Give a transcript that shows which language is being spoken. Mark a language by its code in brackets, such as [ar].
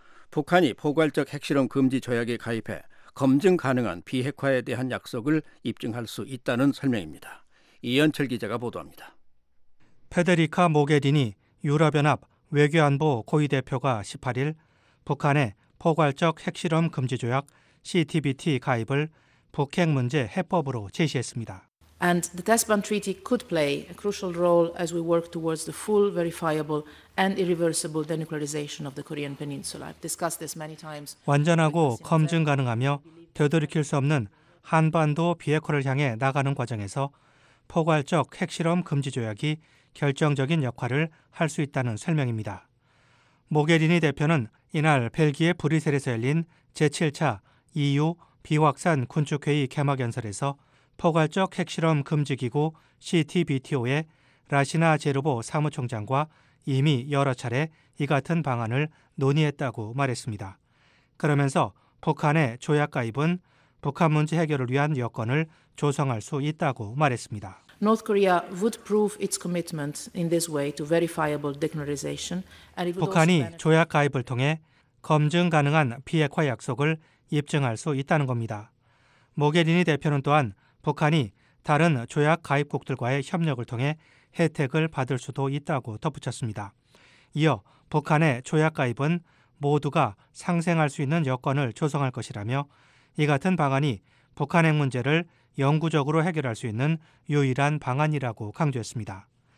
[ko] 북한이 포괄적 핵실험 금지 조약에 가입해 검증 가능한 비핵화에 대한 약속을 입증할 수 있다는 설명입니다. 이현철 기자가 보도합니다. 페데리카 모게리니 유럽연합 외교안보 고위대표가 18일 북한의 포괄적 핵실험 금지조약 CTBT 가입을 북핵 문제 해법으로 제시했습니다. [en] And the Tehran Treaty could play a crucial role as we work towards the full, verifiable and irreversible denuclearization of the Korean Peninsula. I've discussed this many times. [ko] 완전하고 검증 가능하며 되돌이킬 수 없는 한반도 비핵화를 향해 나가는 과정에서 포괄적 핵실험 금지조약이 결정적인 역할을 할 수 있다는 설명입니다. 모게리니 대표는 이날 벨기에 브뤼셀에서 열린 제7차 EU 비확산 군축회의 개막연설에서 포괄적 핵실험 금지기구 CTBTO의 라시나 제르보 사무총장과 이미 여러 차례 이 같은 방안을 논의했다고 말했습니다. 그러면서 북한의 조약 가입은 북한 문제 해결을 위한 여건을 조성할 수 있다고 말했습니다. [en] North Korea would prove its commitment in this way to verifiable denuclearization. [ko] 북한이 조약 가입을 통해 검증 가능한 비핵화 약속을 입증할 수 있다는 겁니다. 모게리니 대표는 또한 북한이 다른 조약 가입국들과의 협력을 통해 혜택을 받을 수도 있다고 덧붙였습니다. 이어 북한의 조약 가입은 모두가 상생할 수 있는 여건을 조성할 것이라며 이 같은 방안이 북한 핵 문제를 영구적으로 해결할 수 있는 유일한 방안이라고 강조했습니다.